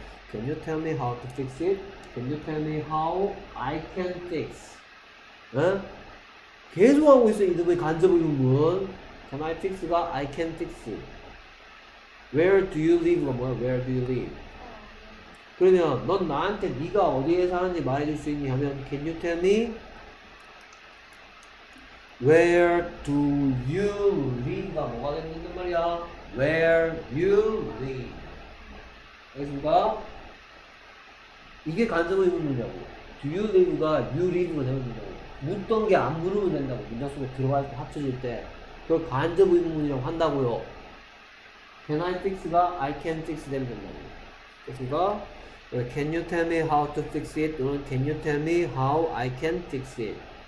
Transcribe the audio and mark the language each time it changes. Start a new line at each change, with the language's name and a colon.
English: Can you tell me how to fix it? Can you tell me how I can fix? 에?
Korean: 계속 하고 있어 이놈의 간접 의문.
English: Can I fix가 I can fix. Where do you live가 뭐야? Where do you live?
Korean: 그러면 넌 나한테 네가 어디에 사는지 말해줄 수 있니? 하면
English: Can you tell me where do you live가
Korean: 뭐가 되는 말이야?
English: Where you live?
Korean: 알겠습니까? 이게 간접 의문이냐고.
English: Do you live
Korean: 가
English: you live
Korean: 가 되면 된다고. 묻던 게 안 물으면 된다고. 문장 속에 들어갈 때 합쳐질 때 그걸 간접 의문이라고 한다고요.
English: Can I fix가 I can fix
Korean: 되면 된다고. 됐습니까?
English: Can you tell me how to fix it?
Korean: 또는
English: Can you tell me how I can fix it?